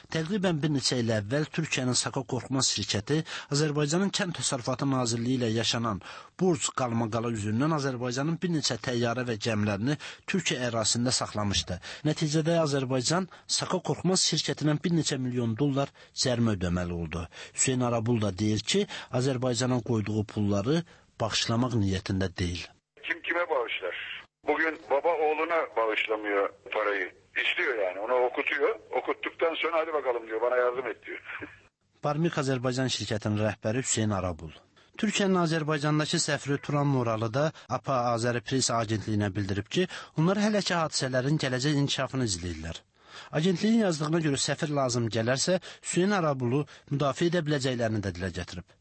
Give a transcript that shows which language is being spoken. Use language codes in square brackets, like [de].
[az] Təqribən bir neçə il əvvəl Türkiyənin Saka Qorxmaz şirkəti Azərbaycanın Kənd Təsərrüfatı Nazirliyi ilə yaşanan borc qalmaqalı üzündən Azərbaycanın bir neçə təyyarə və gəmlərini Türkiyə ərazisində saxlamışdı. Nəticədə Azərbaycan Saka Qorxmaz şirkətindən bir neçə milyon dollar cərimə ödəməli oldu. Hüseyin Arablu da deyir ki, Azərbaycanın qoyduğu pulları bağışlamaq niyyətində deyil. [tr] Kim kime bağışlar? Bugün baba oğluna bağışlamıyor parayı. İstiyor yani, onu okutuyor. Okuttuktan sonra hadi bakalım diyor, bana yardım et diyor. [az] Barmiq Azərbaycan şirkətinin rəhbəri Hüseyin Arablu. Türkiyənin Azərbaycandakı səfiri Turan Moralı da APA Azərpress agentliyinə bildirib ki, onlar hələ ki hadisələrin gələcək inkişafını izləyirlər. Agentliyin yazdığına görə səfir lazım gələrsə, Hüseyin Arablu müdafiə edə biləcəklərini də dilə gətirib.